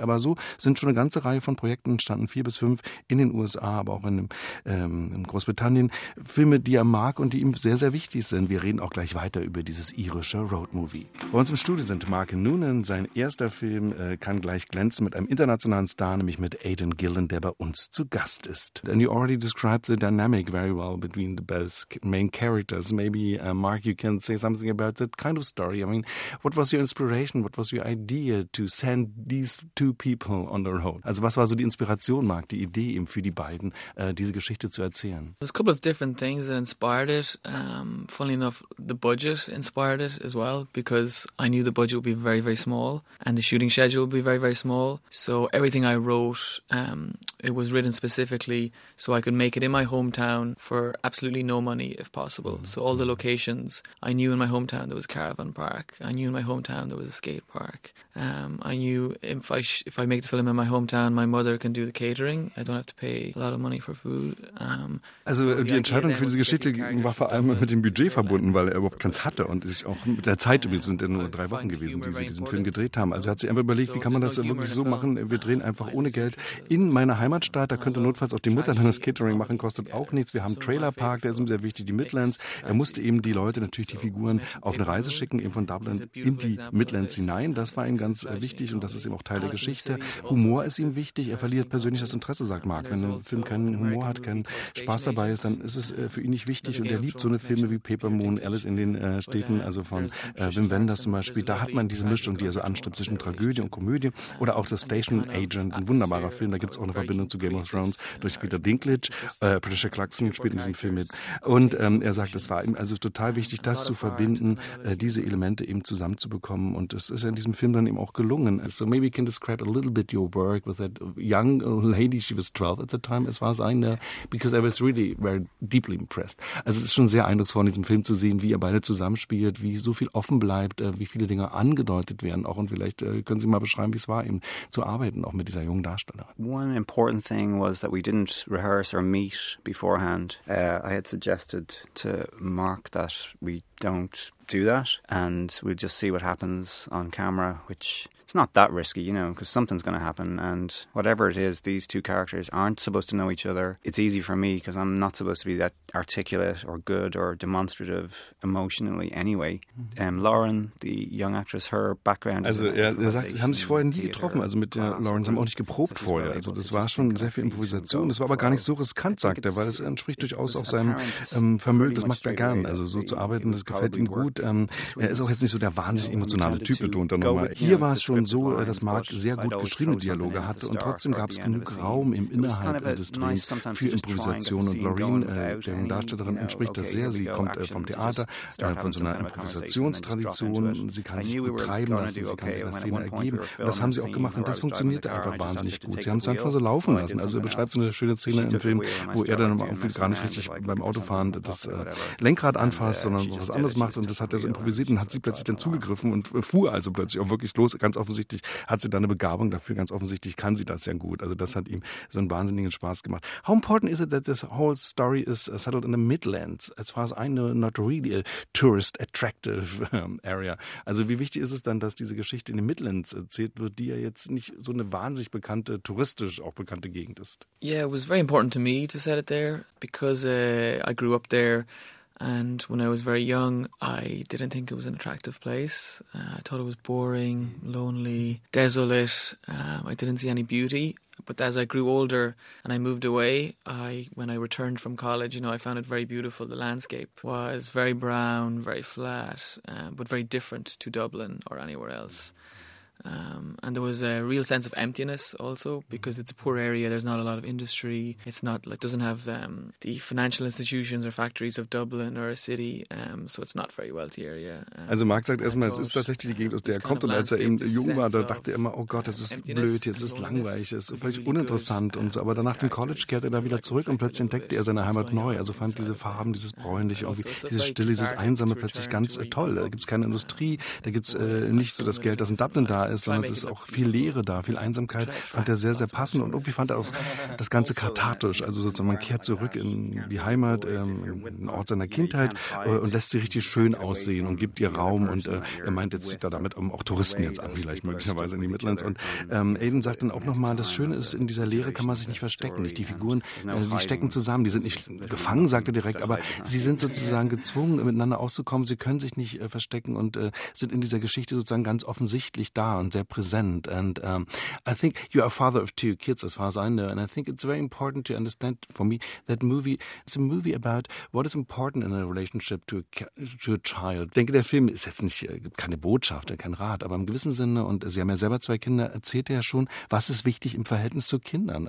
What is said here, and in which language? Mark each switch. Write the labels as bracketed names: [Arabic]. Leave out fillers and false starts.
[German] Aber so sind schon eine ganze Reihe von Projekten entstanden, 4 bis 5 in den USA, aber auch in Großbritannien. Filme, die er mag und die ihm sehr, sehr wichtig sind. Wir reden auch gleich weiter über dieses irische Roadmovie. Bei uns im Studio sind Mark Noonan. Sein erster Film kann gleich glänzen mit einem internationalen Star, nämlich mit Aidan Gillen, der bei uns zu Gast ist. [English] And you already described the dynamic very well between the both main characters. Maybe, Mark, you can say something about that kind of story. I mean, what was your inspiration? What was your idea to send these two people on the road? [German] Also was war so die Inspiration, Mark, die Idee eben für die beiden, diese Geschichte zu erzählen? [English] There's a couple of different things that inspired it. Funnily enough, the budget inspired it as well, because I knew the budget would be very, very small and the shooting schedule would be very, very small. So everything I wrote, it was written specifically so I could make it in my hometown for absolutely no money if possible. Mm-hmm. So all the locations, I knew in my hometown there was a caravan park. I knew in my hometown there was a skate park. I knew if I make the film in my hometown, my mother can do the catering. I don't have to pay a lot of money for food. [German] Also so die Entscheidung für diese Geschichte war vor allem mit dem Budget verbunden, weil er überhaupt keins hatte und sich auch mit der Zeit, wir sind ja nur 3 Wochen gewesen, die sie diesen Film gedreht haben. Also er hat sich einfach überlegt, wie kann man das wirklich so machen? Wir drehen einfach ohne Geld in meiner Heimatstadt. Da könnte notfalls auch die Mutter dann das Catering machen, kostet auch nichts. Wir haben Trailerpark, der ist ihm sehr wichtig, die Midlands. Er musste eben die Leute, natürlich die Figuren, auf eine Reise schicken, eben von Dublin in die Midlands hinein. Das war ihm ganz wichtig und das ist eben auch Teil der Geschichte. Humor ist ihm wichtig. Er verliert persönlich das Interesse, sagt Mark. Wenn ein Film keinen Humor hat, keinen Spaß dabei ist, dann ist es für ihn nicht wichtig. Und er liebt so eine Filme wie Paper Moon, Alice in den Städten, also von Wim Wenders zum Beispiel. Da hat man diese Mischung, die er so anstrebt zwischen Tragödie und Komödie. Oder auch The Station Agent, ein wunderbarer Film. Da gibt es auch eine Verbindung zu Game of Thrones durch Peter Dinklage. Patricia Clarkson spielt in diesem Film mit. Und er sagt, es war ihm also total wichtig, das zu verbinden, diese Elemente eben zusammenzubekommen. Und es ist in diesem Film dann eben auch gelungen. [English] So maybe you can describe a little bit your work with that young lady. She was 12 at the time, as far as I know, because I was really very deeply impressed. [German] Also es ist schon sehr eindrucksvoll, in diesem Film zu sehen, wie ihr beide zusammenspielt, wie so viel offen bleibt, wie viele Dinge angedeutet werden auch. Und vielleicht können Sie mal beschreiben, wie es war, eben zu arbeiten, auch mit dieser jungen Darstellerin. [English] One important thing was that we didn't rehearse or meet beforehand. I had suggested to Mark that we don't do that and we'll just see what happens on camera, which it's not that risky, you know, because something's going to happen and whatever it is, these two characters aren't supposed to know each other. It's easy for me because I'm not supposed to be that articulate or good or demonstrative emotionally anyway. Lauren, the young actress, her background [German] also, sie haben sich vorher nie getroffen, also mit der Lauren, sie haben auch nicht geprobt so vorher, also das war schon sehr viel Improvisation, das war aber gar nicht so riskant, sagt er, weil es entspricht durchaus auch seinem Vermögen, das macht er gern, also so zu arbeiten, das gefällt ihm gut. Er ist auch jetzt nicht so der wahnsinnig emotionale Typ, betont er nochmal. Hier war es schon so, dass Mark sehr gut geschriebene Dialoge hatte und trotzdem gab es genug Raum im Innerhalb des Drehens für Improvisation und Lorraine, der Darstellerin, entspricht das sehr. Sie kommt vom Theater, von so einer Improvisationstradition. Sie kann sich gut treiben lassen, sie kann sich der Szene ergeben. Und das haben sie auch gemacht und das funktionierte einfach wahnsinnig gut. Sie haben es einfach so laufen lassen. Also er beschreibt so eine schöne Szene im Film, wo er dann irgendwie gar nicht richtig beim Autofahren das Lenkrad anfasst, sondern was anderes macht und das hat er so improvisiert und hat sie plötzlich dann zugegriffen und fuhr also plötzlich auch wirklich los. Ganz offensichtlich hat sie da eine Begabung dafür, ganz offensichtlich kann sie das ja gut. Also das hat ihm so einen wahnsinnigen Spaß gemacht. [English] How important is it that this whole story is settled in the Midlands, as far as I know, not really a tourist attractive area? [German] Also wie wichtig ist es dann, dass diese Geschichte in den Midlands erzählt wird, die ja jetzt nicht so eine wahnsinnig bekannte, touristisch auch bekannte Gegend ist? [English] Yeah, it was very important to me to set it there, because I grew up there. And when I was very young, I didn't think it was an attractive place. I thought it was boring, lonely, desolate. I didn't see any beauty. But as I grew older and I moved away, when I returned from college, you know, I found it very beautiful. The landscape was very brown, very flat, but very different to Dublin or anywhere else. And there was a real sense of emptiness also, because it's a poor area. There's not a lot of industry. It's not, it doesn't have the financial institutions or factories of Dublin or a city. So it's not a very wealthy area. [German] Also Mark sagt erstmal, es ist tatsächlich die Gegend, aus der er kommt. Und als er eben jung war, da dachte er immer, oh Gott, das ist blöd, es ist langweilig, es ist völlig uninteressant und so. Aber danach dem College kehrte er da wieder zurück und plötzlich entdeckte er seine Heimat neu. Also fand diese Farben, dieses Bräunliche, irgendwie, dieses Stille, dieses Einsame plötzlich ganz toll. Da gibt es keine Industrie, da gibt es nicht so das Geld, das in Dublin da ist, sondern es ist auch viel Leere da, viel Einsamkeit, fand er sehr, sehr passend. Und irgendwie fand er auch das Ganze karthatisch. Also sozusagen, man kehrt zurück in die Heimat, in den Ort seiner Kindheit und lässt sie richtig schön aussehen und gibt ihr Raum. Und er meint, jetzt zieht er damit auch Touristen jetzt an, vielleicht möglicherweise in die Midlands. Und Aidan sagt dann auch nochmal, das Schöne ist, in dieser Leere kann man sich nicht verstecken. Die Figuren, die stecken zusammen, die sind nicht gefangen, sagt er direkt, aber sie sind sozusagen gezwungen, miteinander auszukommen. Sie können sich nicht verstecken und sind in dieser Geschichte sozusagen ganz offensichtlich da. [English] And they're present. And I think you are father of two kids, as far as I know. And I think it's very important to understand for me that movie. It's a movie about what is important in a relationship to a child. [German] Ich denke, der Film ist jetzt nicht, gibt keine Botschaft, kein Rat, aber im gewissen Sinne, und Sie haben ja selber zwei Kinder, erzählt er ja schon, was ist wichtig im Verhältnis zu Kindern?